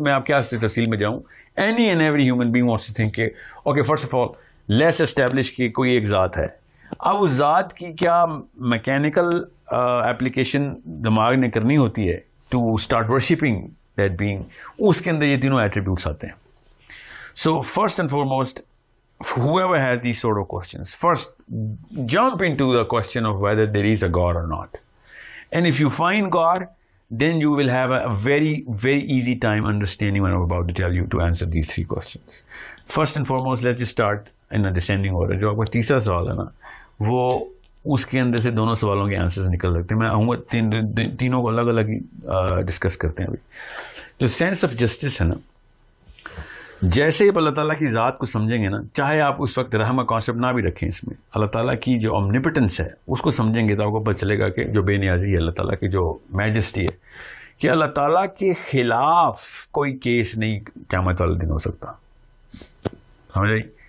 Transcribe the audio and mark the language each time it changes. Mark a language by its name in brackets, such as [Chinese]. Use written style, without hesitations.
[Hindi] मैं आप क्या तफसील में जाऊँ, [English] any and every human being wants to think के okay first of all let's establish [Hindi] की कोई एक ज़ात है. अब उस ज़ात की क्या मैकेनिकल एप्लीकेशन दिमाग ने करनी होती है [English] to start worshipping that being, [Hindi] उसके अंदर ये तीनों एट्रीब्यूट्स आते हैं. [English] So first and foremost whoever has these sort of questions, first jump into the question of whether there is a God or not. And if you find God, then you will have a very, very easy time understanding what I'm about to tell you to answer these three questions. First and foremost, let's just start in a descending order. [Hindi] जो आपका तीसरा सवाल है ना, वो उसके अंदर से दोनों सवालों के आंसर्स निकल सकते हैं. मैं आऊँगा तीनों को अलग अलग ही डिस्कस करते हैं. अभी जो सेंस ऑफ जस्टिस है ना, जैसे ही आप अल्लाह ताला की ज़ात को समझेंगे ना, चाहे आप उस वक्त रहम का कॉन्सेप्ट ना भी रखें इसमें, अल्लाह ताला की जो ओमनिपोटेंस है उसको समझेंगे तो आपको पता चलेगा कि जो बेनियाजी है, अल्लाह ताला की जो मैजेस्टी है, कि अल्लाह ताला के खिलाफ कोई केस नहीं क़यामत वाले दिन हो सकता. समझ आई?